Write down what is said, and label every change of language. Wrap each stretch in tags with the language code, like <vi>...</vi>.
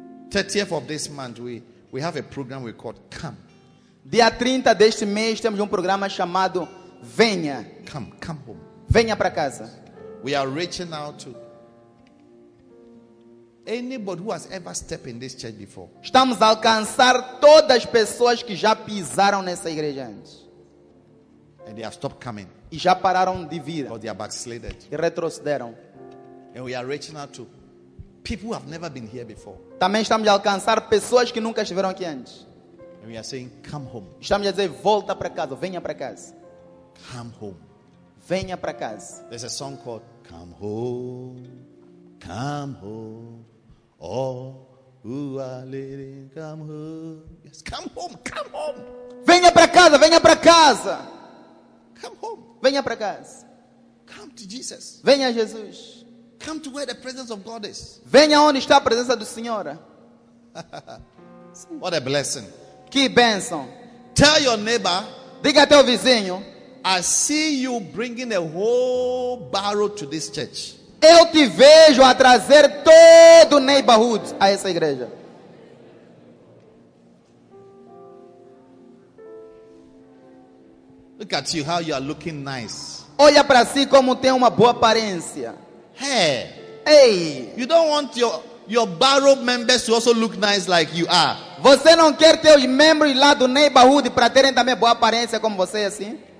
<en>30th of this month we have a program we call Come.</en> <pt>Dia 30 deste mês temos programa chamado Venha.</pt> <en>Come. Come home.</en> <pt>Venha para casa.</pt> <en>We are reaching out to anybody who has ever stepped in this church before.</en> <pt>Estamos a alcançar todas as pessoas que já pisaram nessa igreja antes.</pt> <en>And they have stopped coming.</en> <pt>E já pararam de vir.</pt> <en>Or they are backslided.</en> <pt>E retrocederam.</pt> <en>And we are reaching out to people who have never been here before.</en> <pt>Também estamos a alcançar pessoas que nunca estiveram aqui antes.</pt> <en>And we are saying, come home.</en> <pt>Estamos a dizer, volta para casa, venha para casa.</pt> <en>Come home.</en> <pt>Venha para casa.</pt> <en>There's a song called Come Home. Come home, all who are living, come home. Yes, come home, come home.</en> <pt>Venha para casa, venha para casa.</pt> <en>Come home.</en> <pt>Venha para casa.</pt> <en>Come to Jesus.</en> <pt>Venha a Jesus.</pt> <en>Come to where the presence of God is.</en> <pt>Venha onde está a presença do Senhor.</pt> <en>What a blessing.</en> <pt>Que bênção.</pt> <en>Tell your neighbor.</en> <pt>Diga ao teu vizinho.</pt> <en>I see you bringing a whole barrel to this church.</en> <pt>Eu te vejo a trazer todo o neighborhood a essa igreja.</pt> <en>Look at you, how you are looking nice.</en> <pt>Olha para si como tem uma boa aparência. Hey. Hey.</pt> <en>You don't want your barrow members to also look nice like you are.</en> <pt>Você não quer ter os membros lá do neighborhood para terem também boa aparência como você assim?</pt>